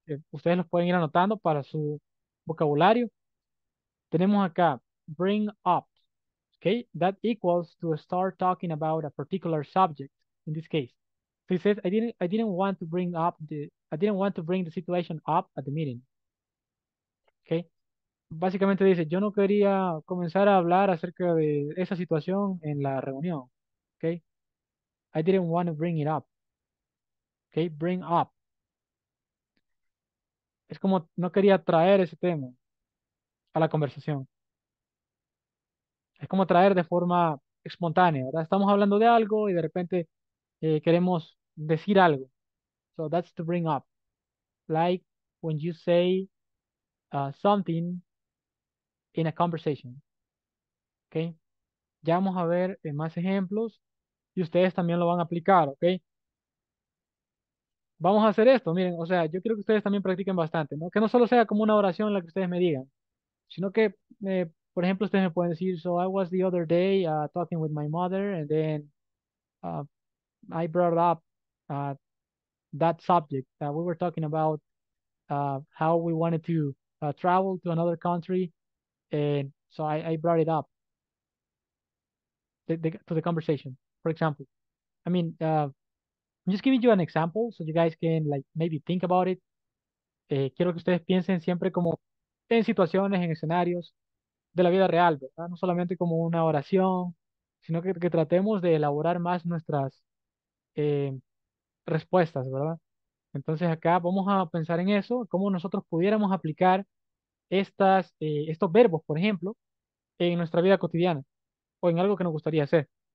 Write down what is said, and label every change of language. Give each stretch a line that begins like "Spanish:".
Spanish: Ustedes los pueden ir anotando para su vocabulario. Tenemos acá, bring up.
English: Okay, that equals to start talking about a particular subject in this case. So he says, I didn't want to bring the situation up at the meeting.
Spanish: Okay, básicamente dice, yo no quería comenzar a hablar acerca de esa situación en la reunión.
English: Okay, I didn't want to bring it up. Okay, bring up.
Spanish: Es como no quería traer ese tema a la conversación. Es como traer de forma espontánea, ¿verdad? Estamos hablando de algo y de repente queremos decir algo.
English: So that's to bring up. Like when you say something in a conversation. Okay?
Spanish: Ya vamos a ver más ejemplos y ustedes también lo van a aplicar, okay? Vamos a hacer esto, miren, o sea, yo quiero que ustedes también practiquen bastante, ¿no? Que no solo sea como una oración en la que ustedes me digan, sino que, por ejemplo, ustedes me pueden decir,
English: so I was the other day talking with my mother and then I brought up that subject that we were talking about, how we wanted to travel to another country, and so I brought it up to the conversation, for example. I mean, I'm just giving you an example so you guys can like maybe think about it.
Spanish: Quiero que ustedes piensen siempre como en situaciones, en escenarios de la vida real, ¿verdad? No solamente como una oración, sino que tratemos de elaborar más nuestras respuestas, ¿verdad? Entonces acá vamos a pensar en eso, cómo nosotros pudiéramos aplicar estos verbos, por ejemplo, en nuestra vida cotidiana o en algo que nos gustaría hacer.